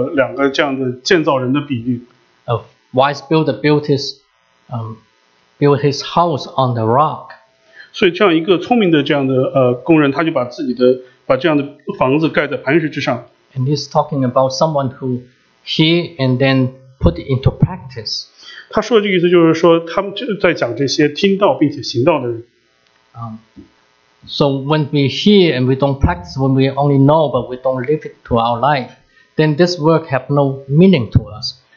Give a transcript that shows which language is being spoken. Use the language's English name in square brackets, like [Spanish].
[Chinese] 然后耶稣就给了两个这样的建造人的比喻。 [English] A wise builder built his house on the rock. [Chinese] 所以这样一个聪明的这样的工人，他就把这样的房子盖在磐石之上。 [English] And he's talking about someone who hear and then put it into practice. [Chinese] 他说的意思就是说，他们就在讲这些听到并且行道的人。 [English] So when we hear and we don't practice, when we only know but we don't live it to our life, then this work have no meaning to us.